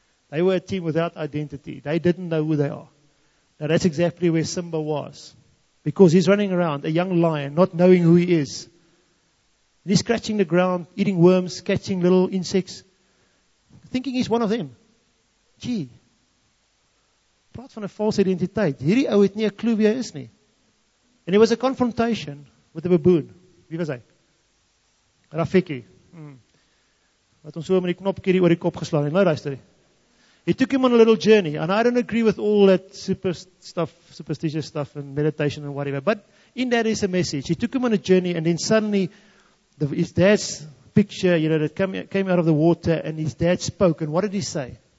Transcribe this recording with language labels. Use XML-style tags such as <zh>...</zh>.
<en>They were a team without identity. They didn't know who they are. Now that's exactly where Simba was. Because he's running around, a young lion, not knowing who he is. And he's scratching the ground, eating worms, catching little insects, thinking he's one of them. Gee.</en> <af>Praat van 'n valse identiteit. Hierdie ou het nie 'n klou wie hy is nie.</af> <en>And it was a confrontation with a baboon.</en> <af>Wie was hy? Rafiki. Wat ons so met die knopkie hier oor die kop geslaan het. Nou luister.</af> <en>He took him on a little journey, and I don't agree with all that super stuff, superstitious stuff and meditation and whatever, but in that is a message. He took him on a journey, and then suddenly his dad's picture, you know, that came out of the water, and his dad spoke, and what did he say?</en>